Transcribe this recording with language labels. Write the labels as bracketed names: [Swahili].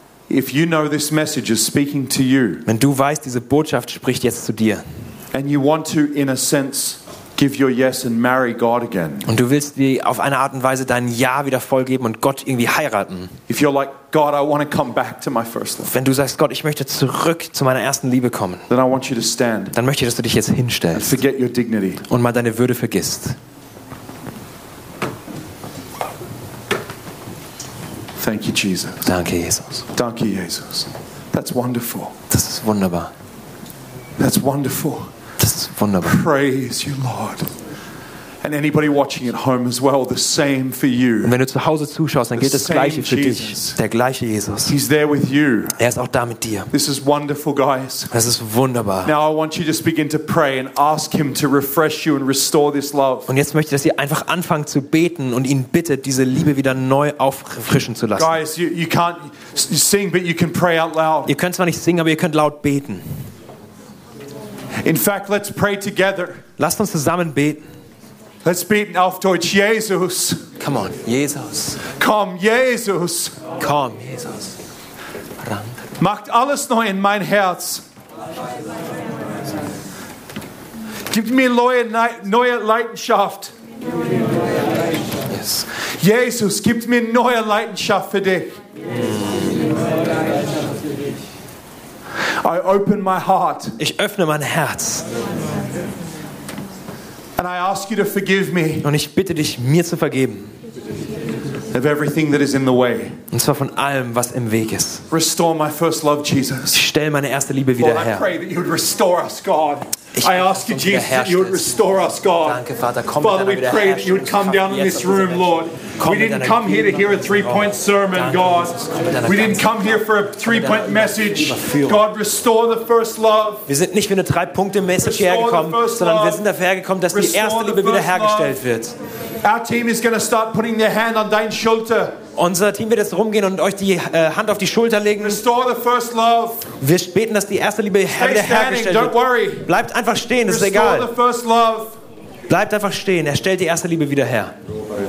[English] If you know this message is speaking to you. [German] Wenn du weißt, diese Botschaft spricht jetzt zu dir. [English] And you want to in a sense give your yes and marry God again. [German] Und du willst wie auf eine Art und Weise dein Ja wieder vollgeben und Gott irgendwie heiraten. [English] If you're like God, I want to come back to my first love. [German] Wenn du sagst Gott, ich möchte zurück zu meiner ersten Liebe kommen. [English] Then I want you to stand. [German] Dann möchte ich, dass du dich jetzt hinstellst. [English] And forget your dignity. [German] Und mal deine Würde vergisst. [English] Thank you, Jesus. [German] Danke, Jesus. Danke, Jesus. [English] That's wonderful. [German] Das ist wunderbar. [English] That's wonderful. [German] Das ist wunderbar. [English] Praise you, Lord. And anybody watching at home as well, the same for you. [German] Und wenn du zu Hause zuschaust, dann gilt das gleiche für dich. Der gleiche Jesus. [English] He's there with you. [German] Er ist auch da mit dir. [English] This is wonderful, guys. [German] Das ist wunderbar. [English] Now I want you to just begin to pray and ask him to refresh you and restore this love. [German] Und jetzt möchte ich, dass ihr einfach anfangt zu beten und ihn bittet, diese Liebe wieder neu auffrischen zu lassen. [English] Guys, you can't sing, but you can pray out loud. [German] Ihr könnt zwar nicht singen, aber ihr könnt laut beten. [English] In fact, let's pray together. [German] Lasst uns zusammen beten. [English] Let's beat [German] auf Deutsch, [English] Jesus. Come on, Jesus. [German] Komm, Jesus. Komm, Jesus. Ran. Macht alles neu in mein Herz. Gib mir neue Leidenschaft. [English] Yes. [German] Jesus, gib mir neue Leidenschaft für dich. [English] I open my heart. [German] Ich öffne mein Herz. [English] And I ask you to forgive me. [German] Und ich bitte dich, mir zu vergeben. [English] Of everything that is in the way. [German] Und zwar von allem, was im Weg ist. [English] Restore my first love, Jesus. [German] Stell meine erste Liebe wieder her. [English] I pray that you would restore us, God. I ask you, Jesus, that you would restore us, God. [German] Danke, Vater, komm [English] Father, we pray that you would come down in this room, Lord. We didn't come here to hear a three-point sermon, God. We didn't come here for a three-point message. God, restore the first love. [German] Wir sind nicht für eine drei-Punkte-Message hergekommen, sondern wir sind dafür hergekommen, dass die erste Liebe wiederhergestellt wird. [English] Our team is going to start putting their hand on [German] dein Schulter. Unser Team wird jetzt rumgehen und euch die Hand auf die Schulter legen. [English] Restore the first love. [German] Wir beten, dass die erste Liebe wiederhergestellt wird. Bleibt einfach stehen, es ist egal. [English] The first love. [German] Bleibt einfach stehen, er stellt die erste Liebe wieder her. Lord.